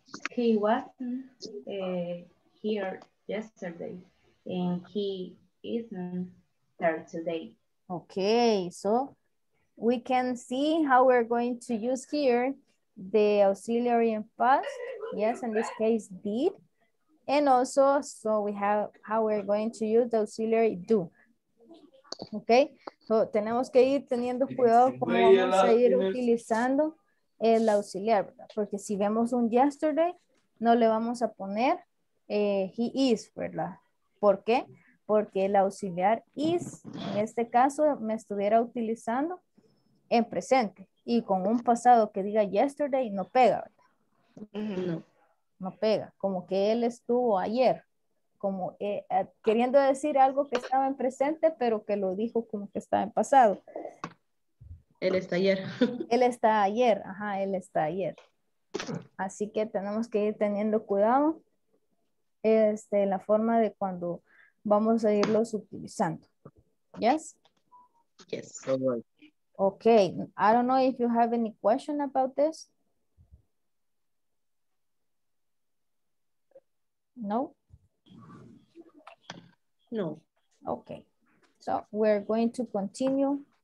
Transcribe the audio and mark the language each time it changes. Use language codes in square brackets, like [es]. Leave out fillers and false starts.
[en] He wasn't here yesterday and he isn't there today. Okay, so we can see how we're going to use here the auxiliary in past, yes, in this case did, and also so we have how we're going to use the auxiliary do. Okay, so [es] tenemos que ir teniendo cuidado cómo vamos a ir utilizando el auxiliar, ¿verdad? Porque si vemos un yesterday no le vamos a poner [en] he is, [es] ¿verdad? ¿Por qué? Porque el auxiliar is en este caso me estuviera utilizando en presente y con un pasado que diga yesterday no pega, ¿verdad? No pega, como que él estuvo ayer, como queriendo decir algo que estaba en presente pero que lo dijo como que estaba en pasado. Él está ayer. Él está ayer, ajá, él está ayer. Así que tenemos que ir teniendo cuidado la forma de cuando vamos a irlos utilizando. [en] Yes. Yes. Okay, I don't know if you have any question about this. No? No. Okay, so we're going to continue